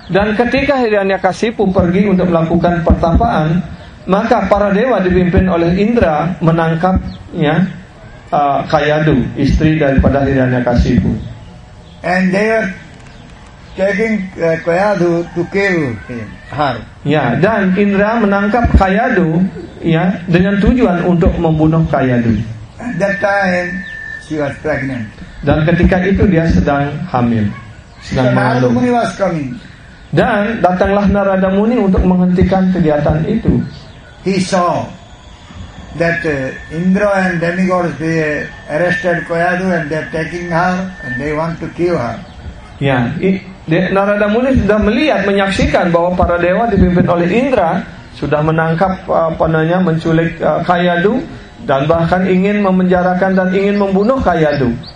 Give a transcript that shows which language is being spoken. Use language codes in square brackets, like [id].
[id] Dan ketika Hiranyakasipu pergi untuk melakukan pertapaan, maka para dewa dipimpin oleh Indra menangkapnya, Kayadhu, istri daripada Hiranyakasipu. [en] And they are taking Kayadhu to kill her. [id] Ya, dan Indra menangkap Kayadhu, ya, dengan tujuan untuk membunuh Kayadhu. [en] At that time she was pregnant. [id] Dan ketika itu dia sedang hamil, sedang mengandung. Dan datanglah Narada Muni untuk menghentikan kegiatan itu. [en] He saw that Indra and demigods, they arrested Kayadhu and they're taking her and they want to kill her. [id] Ya, Narada Muni sudah melihat, menyaksikan bahwa para dewa dipimpin oleh Indra sudah menangkap menculik Kayadhu dan bahkan ingin memenjarakan dan ingin membunuh Kayadhu.